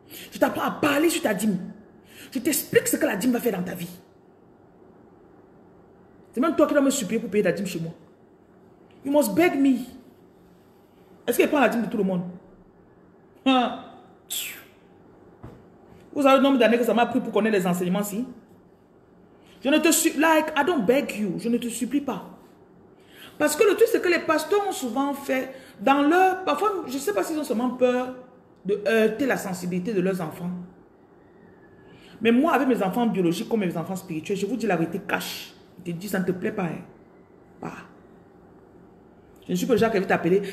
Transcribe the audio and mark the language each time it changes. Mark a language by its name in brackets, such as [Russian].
[French] Je t'apprends à parler sur ta dîme. Je t'explique ce que la dîme va faire dans ta vie. C'est même toi qui dois me supplier pour payer la dîme chez moi. [English] You must beg me. [French] Est-ce qu'elle prend la dîme de tout le monde? Vous avez le nombre d'années que ça m'a pris pour connaître les enseignements, si? Je ne te supplie, [English] like, I don't beg you. [French] Je ne te supplie pas. Parce que le truc, c'est que les pasteurs ont souvent fait dans leur... Parfois, je ne sais pas s'ils ont seulement peur de heurter la sensibilité de leurs enfants. Mais moi, avec mes enfants biologiques comme mes enfants spirituels, je vous dis la vérité, cache. Je te dis, ça ne te plaît pas. Hein? Bah. Je ne suis pas le genre qui va t'appeler.